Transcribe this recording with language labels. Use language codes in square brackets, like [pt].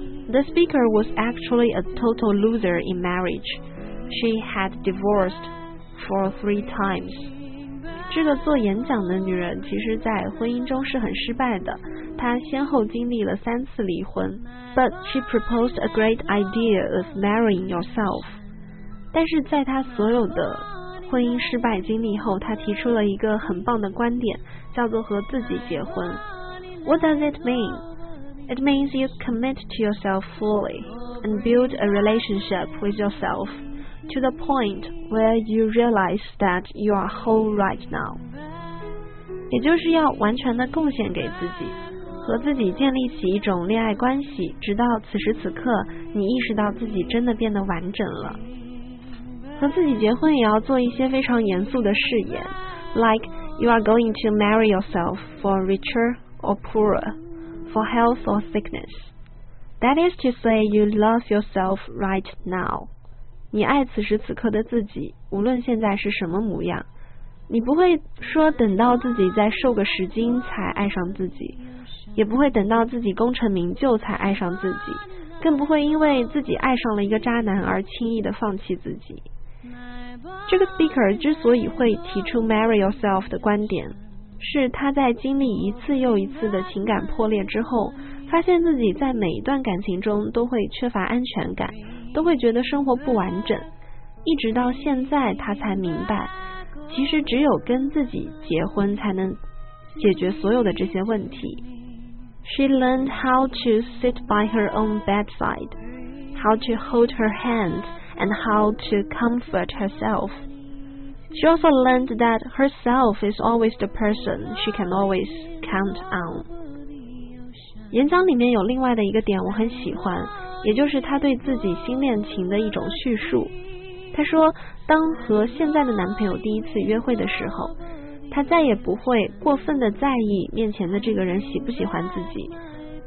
[en] The speaker was actually a total loser in marriage. She had divorced for 3 times. [zh] 这个做演讲的女人其实在婚姻中是很失败的，她先后经历了三次离婚。 [en] But she proposed a great idea of marrying yourself. [zh] 但是在她所有的婚姻失败经历后，她提出了一个很棒的观点，叫做和自己结婚。 [en] What does it mean? It means you commit to yourself fully and build a relationship with yourself to the point where you realize that you are whole right now. [zh] 也就是要完全的贡献给自己，和自己建立起一种恋爱关系，直到此时此刻你意识到自己真的变得完整了。和自己结婚也要做一些非常严肃的誓言， [en] like you are going to marry yourself for richer or poorer, for health or sickness. That is to say you love yourself right now. [zh] 你爱此时此刻的自己，无论现在是什么模样。你不会说等到自己再瘦个十斤才爱上自己，也不会等到自己功成名就才爱上自己，更不会因为自己爱上了一个渣男而轻易的放弃自己。这个 speaker 之所以会提出 marry yourself 的观点，是他在经历一次又一次的情感破裂之后，发现自己在每一段感情中都会缺乏安全感，都会觉得生活不完整。一直到现在他才明白，其实只有跟自己结婚才能解决所有的这些问题。 [en] She learned how to sit by her own bedside, how to hold her hand, and how to comfort herself. She also learned that herself is always the person she can always count on. [zh] 演讲里面有另外的一个点我很喜欢，也就是她对自己新恋情的一种叙述。她说，当和现在的男朋友第一次约会的时候，她再也不会过分的在意面前的这个人喜不喜欢自己，